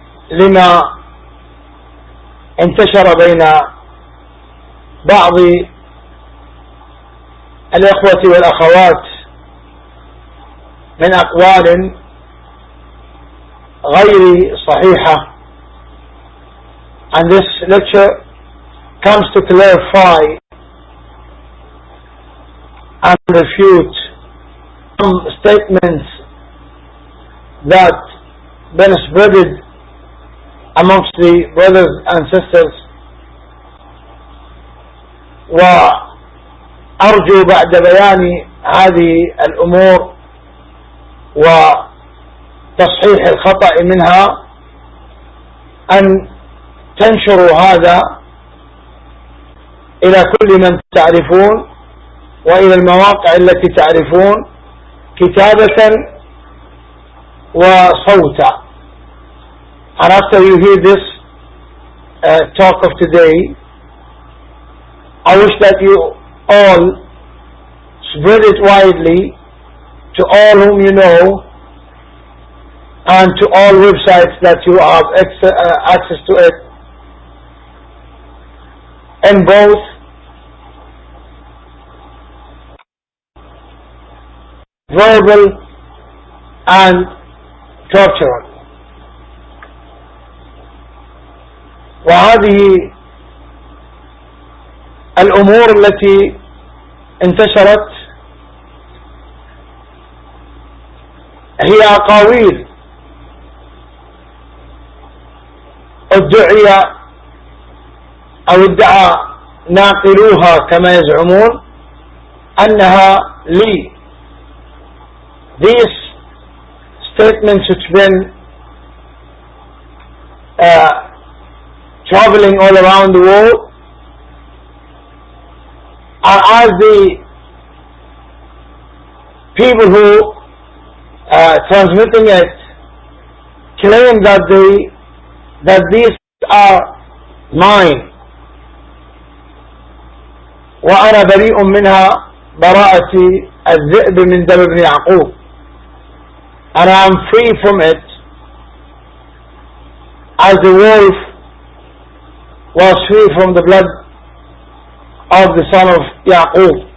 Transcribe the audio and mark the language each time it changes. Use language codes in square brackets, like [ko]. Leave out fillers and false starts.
[ar] لما انتشر بين بعض الإخوة والأخوات من أقوال غير صحيحة. [en] And this lecture comes to clarify and refute some statements that been spreaded amongst the brothers and sisters. [ar] وأرجو بعد بيان هذه الأمور وتصحيح الخطأ منها أن تنشروا هذا إلى كل من تعرفون وإلى المواقع التي تعرفون كتابة وصوتا. [en] And after you hear this talk of today, I wish that you all spread it widely to all whom you know and to all websites that you have access to it, in both verbal and cultural. [ar] وهذه الأمور التي انتشرت هي أقاويل ادعي أو ادعى ناقلوها كما يزعمون أنها لي. [en] These statements which been traveling all around the world are as the people who transmitting it claim that these are mine. [ar] وأنا بريء منها براءتي الذئب من دم ابن يعقوب. [en] And I am free from it as the wolf was free from the blood of the son of Ya'qub.